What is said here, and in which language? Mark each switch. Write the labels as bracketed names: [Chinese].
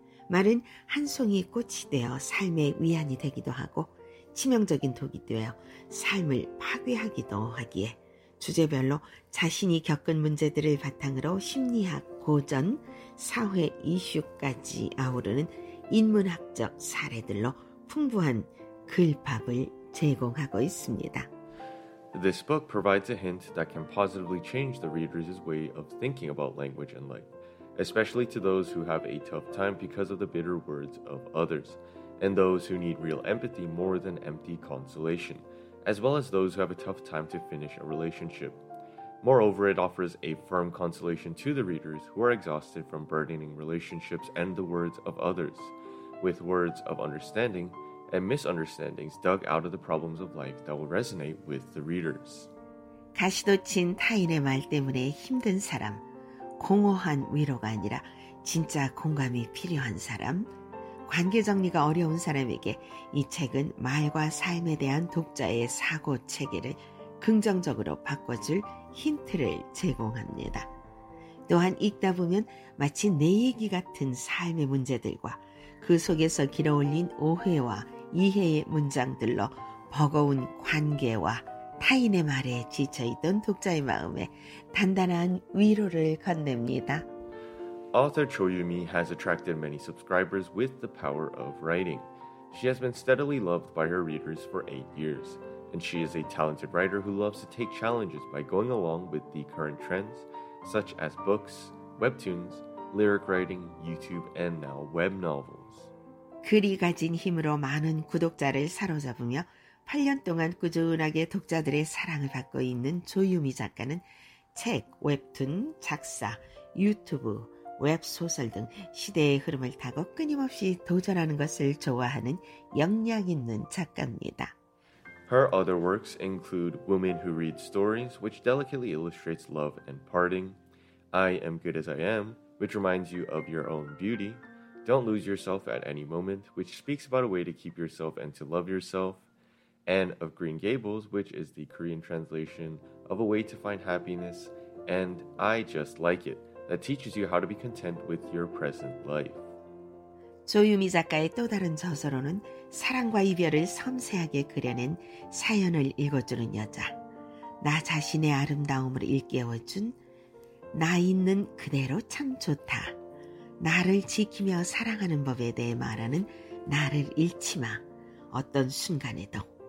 [Korean] 말은 한 송이 꽃이 되어 삶의 위안이 되기도 하고 치명적인 독이 되어 삶을 파괴하기도 하기에 주제별로 자신이 겪은 문제들을 바탕으로 심리학, 고전, 사회 이슈까지 아우르는 인문학적 사례들로 풍부한 글밥을 제공하고 있습니다. [English] This book provides a hint that can positively change the reader's way of thinking about language and life, especially to those who have a tough time because of the bitter words of others, and those who need real empathy more than empty consolation, as well as those who have a tough time to finish a relationship. Moreover, it offers a firm consolation to the readers who are exhausted from burdening relationships and the words of others, with words of understanding and misunderstandings dug out of the problems of life that will resonate with the readers. [Korean] 가시도 친 타인의 말 때문에 힘든 사람, 공허한 위로가 아니라 진짜 공감이 필요한 사람, 관계 정리가 어려운 사람에게 이 책은 말과 삶에 대한 독자의 사고 체계를 긍정적으로 바꿔줄 힌트를 제공합니다. 또한 읽다 보면 마치 내 얘기 같은 삶의 문제들과 그 속에서 길어올린 오해와 이해의 문장들로 버거운 관계와 타인의 말에 지쳐있던 독자의 마음에 단단한 위로를 건넵니다. [English] Author Cho Yumi has attracted many subscribers with the power of writing. She has been steadily loved by her readers for 8 years, and she is a talented writer who loves to take challenges by going along with the current trends, such as books, webtoons, lyric writing, YouTube, and now web novels. [Korean] 글이 가진 힘으로 많은 구독자를 사로잡으며 8년 동안 꾸준하게 독자들의 사랑을 받고 있는 조유미 작가는 책, 웹툰, 작사, 유튜브, 웹소설 등 시대의 흐름을 타고 끊임없이 도전하는 것을 좋아하는 역량 있는 작가입니다. [English] Her other works include Women Who Read Stories, which delicately illustrates love and parting, I Am Good As I Am, which reminds you of your own beauty, Don't Lose Yourself at Any Moment, which speaks about a way to keep yourself and to love yourself, Anne of Green Gables, which is the Korean translation of A Way to Find Happiness, and I Just Like It, that teaches you how to be content with your present life. [Korean] 조유미 작가의 또 다른 저서로는 사랑과 이별을 섬세하게 그려낸 사연을 읽어주는 여자, 나 자신의 아름다움을 일깨워준 나 있는 그대로 참 좋다, 나를 지키며 사랑하는 법에 대해 말하는 나를 잃지 마 어떤 순간에도,